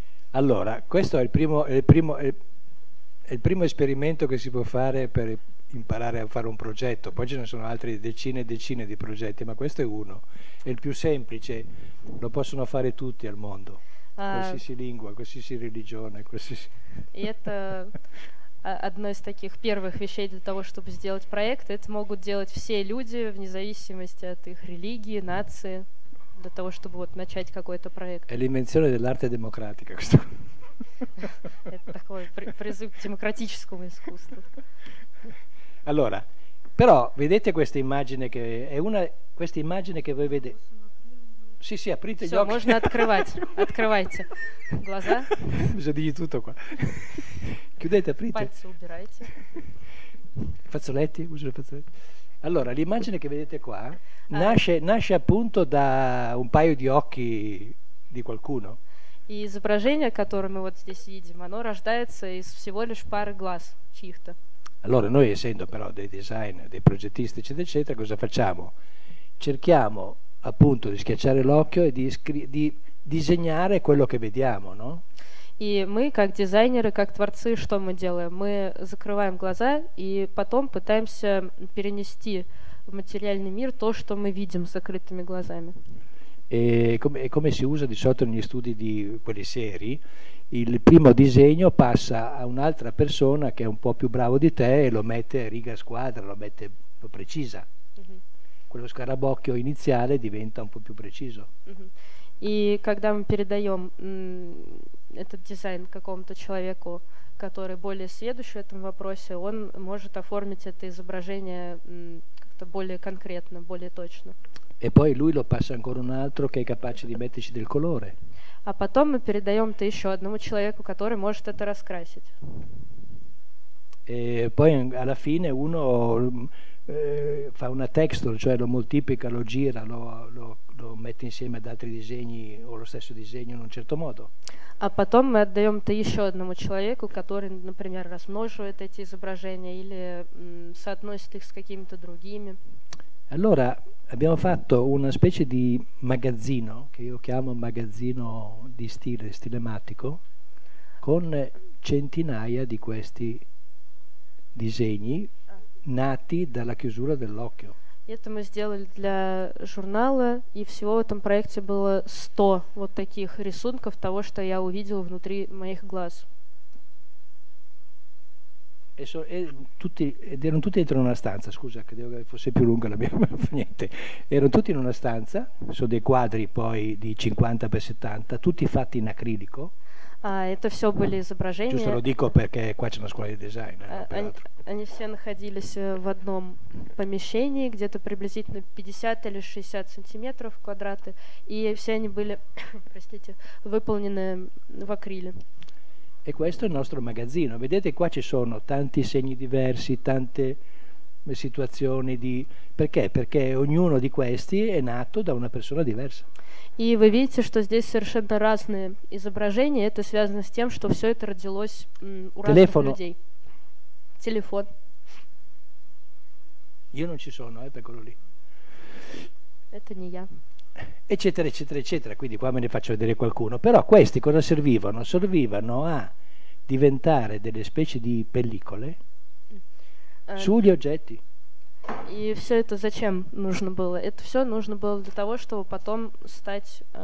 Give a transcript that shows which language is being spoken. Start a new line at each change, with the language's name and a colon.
Italian: Allora, questo è il primo esperimento che si può fare per imparare a fare un progetto. Poi ce ne sono altri decine e decine di progetti, ma questo è uno. È il più semplice. Lo possono fare tutti al mondo. Qualsiasi lingua, qualsiasi religione, qualsiasi...
Russian: И это одно из таких первых вещей для того, чтобы сделать проект. Это могут делать все люди, вне зависимости от их религии, нации, для того, чтобы вот начать какой-то проект.
Italian: È l'invenzione dell'arte democratica, questo.
Russian: Это такой призыв к демократическому искусству.
Italian: Allora, però, vedete questa immagine che è una questa immagine che voi vedete. Sì, sì, aprite gli occhi.
Russian: Можно открывать. Открывайте. Глаза.
Italian: Bisogna dire tutto qua. Chiudete, aprite.
Russian: Пальцы убирайте. Фазолетти, уже фазолетти.
Italian: Allora, l'immagine che vedete qua nasce appunto da un paio di occhi di qualcuno.
Russian: И изображение, которое мы вот здесь видим, оно рождается из всего лишь пары глаз чьих-то.
Italian: Allora, noi essendo però dei designer, dei progettisti, eccetera, eccetera, cosa facciamo? Cerchiamo appunto di schiacciare l'occhio e di disegnare quello che vediamo, no?
Russian: И мы, как дизайнеры, как творцы, что мы делаем? Мы закрываем глаза и потом пытаемся перенести в материальный мир то, что мы видим закрытыми глазами.
Italian: E come si usa di solito negli studi di quelli seri, il primo disegno passa a un'altra persona che è un po' più bravo di te e lo mette riga a squadra, lo precisa. Mm-hmm. Quello scarabocchio iniziale diventa un po' più preciso. E quando noi
Russian: передаем
Italian: questo
Russian: дизайн какому-то человеку, который более сведущий в этом вопросе, он может оформить это изображение как-то более конкретно, более точно.
Italian: E poi lui lo passa ancora un altro che è capace di metterci del colore.
Russian: А потом мы передаем это еще одному человеку, который может это раскрасить.
Italian: E poi alla fine uno fa una texture, cioè lo moltiplica, lo gira, lo mette insieme ad altri disegni o lo stesso disegno in un certo modo.
Russian: А потом мы отдаем это еще одному человеку, который, например, размноживает эти изображения или соотносит их с какими-то другими.
Italian: Allora, abbiamo fatto una specie di magazzino, che io chiamo magazzino di stile, stilematico, con centinaia di questi disegni nati dalla chiusura dell'occhio.
Russian: Это мы сделали для журнала, и всего в этом проекте было 100 вот таких рисунков того, что я увидел внутри моих глаз.
Italian: Ed erano tutti dentro una stanza, scusa, credevo che fosse più lunga la mia, niente. Erano tutti in una stanza, sono dei quadri poi di 50x70, tutti fatti in acrilico.
Russian: Это все были изображения.
Italian: Giusto, lo dico perché qua c'è una scuola di design,
Russian: они все находились в одном помещении, где-то приблизительно 50 или 60 сантиметров квадраты, и все они были, простите, выполнены в акриле.
Italian: E questo è il nostro magazzino. Vedete, qua ci sono tanti segni diversi, tante situazioni di... Perché? Perché ognuno di questi è nato da una persona diversa. E voi vedete che qui sono
Russian: совершенно разные изображения, это связано с тем, что все это родилось у Телефон. Разных людей. Телефон.
Italian: Io non ci sono, per quello lì.
Russian: Это не я.
Italian: Eccetera eccetera eccetera, quindi qua me ne faccio vedere qualcuno, però questi cosa servivano? Servivano a diventare delle specie di pellicole sugli oggetti.
Russian: E все это зачем нужно было? Это все нужно было для того, чтобы потом стать